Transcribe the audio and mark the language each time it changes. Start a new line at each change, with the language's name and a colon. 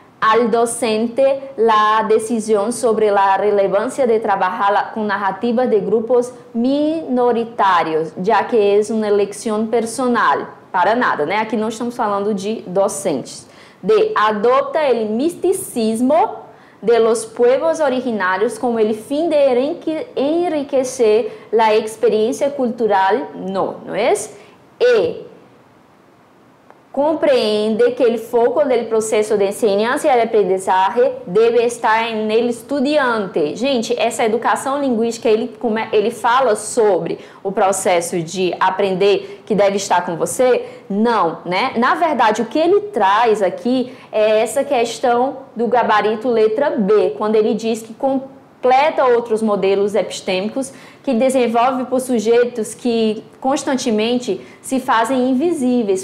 Spanish: al docente la decisión sobre la relevancia de trabajar con narrativas de grupos minoritarios, ya que es una elección personal.
Portuguese: Para nada, né? Aqui não estamos falando de docentes. D.
Spanish: Adopta el misticismo de los pueblos originarios como el fin de enriquecer la experiencia cultural. No, ¿no es? E.
Portuguese: Compreende
Spanish: que el foco del proceso de enseñanza y aprendizaje debe estar en el estudiante.
Portuguese: Gente, essa educação linguística, ele fala sobre o processo de aprender que deve estar com você? Não, né? Na verdade, o que ele traz aqui é essa questão do gabarito letra B, quando ele diz que completa outros modelos epistêmicos que desenvolve por sujeitos que constantemente se fazem invisíveis.